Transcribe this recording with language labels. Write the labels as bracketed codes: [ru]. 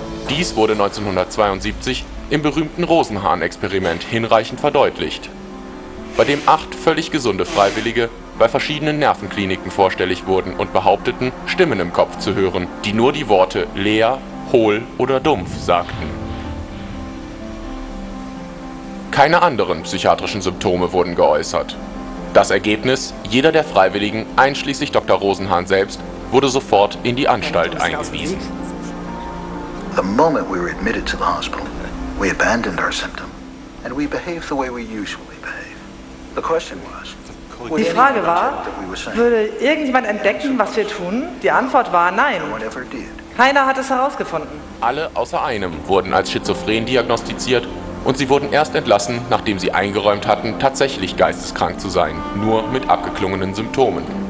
[de] Dies wurde 1972 im berühmten Rosenhahn-Experiment hinreichend verdeutlicht, bei dem 8 völlig gesunde Freiwillige bei verschiedenen Nervenkliniken vorstellig wurden und behaupteten, Stimmen im Kopf zu hören, die nur die Worte leer, hohl oder dumpf sagten. Keine anderen psychiatrischen Symptome wurden geäußert. Das Ergebnis, jeder der Freiwilligen, einschließlich Dr. Rosenhahn selbst, wurde sofort in die Anstalt eingewiesen. [en] The moment we were admitted to the hospital, we abandoned our symptoms and we behaved the way we usually. [de] Die Frage war, würde irgendjemand entdecken, was wir tun? Die Antwort war nein. Keiner hat es herausgefunden. Alle außer einem wurden als schizophren diagnostiziert und sie wurden erst entlassen, nachdem sie eingeräumt hatten, tatsächlich geisteskrank zu sein, nur mit abgeklungenen Symptomen.